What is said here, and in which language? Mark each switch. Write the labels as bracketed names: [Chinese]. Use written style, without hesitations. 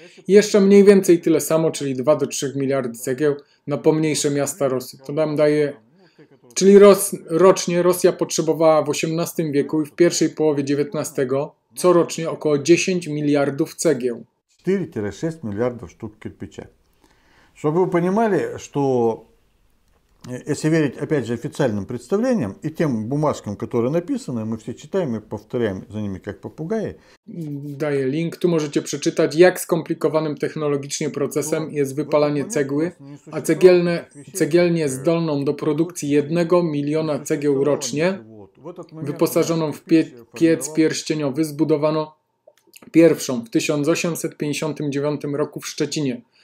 [Polish] Jeszcze mniej więcej tyle samo, czyli 2 do 3 miliardy cegieł na pomniejsze miasta Rosji. To nam daje... Czyli rocznie Rosja potrzebowała w XVIII wieku i w pierwszej połowie XIX corocznie około 10 miliardów cegieł. 4-6 miliardów sztuk kirpicza. [Russian] Чтобы вы понимали, что если верить, опять же, официальным представлениям и тем бумажкам, которые написаны, мы все читаем и повторяем за ними, как попугаи. [Polish] Daję link, tu możecie przeczytać, jak skomplikowanym technologicznie procesem jest wypalanie cegły, a cegielnię zdolną do produkcji 1 miliona cegieł rocznie, wyposażoną w piec pierścieniowy, zbudowano pierwszą w 1859 roku w Szczecinie.